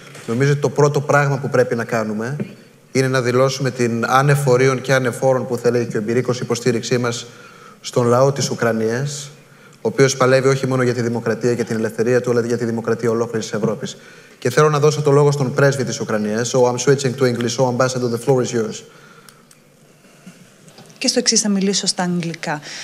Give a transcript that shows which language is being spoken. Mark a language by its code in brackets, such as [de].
[el] Νομίζω ότι το πρώτο πράγμα που πρέπει να κάνουμε είναι να δηλώσουμε την ανεφορίων και ανεφόρων που θέλει και ο Εμπειρίκος υποστήριξή μας στον λαό της Ουκρανίας, ο οποίος παλεύει όχι μόνο για τη δημοκρατία και την ελευθερία του, αλλά για τη δημοκρατία ολόκληρης της Ευρώπης. Και θέλω να δώσω το λόγο στον πρέσβη της Ουκρανίας. [en] So I'm switching to English. So Ambassador, the floor is yours. [el] Και στο εξής θα μιλήσω στα αγγλικά.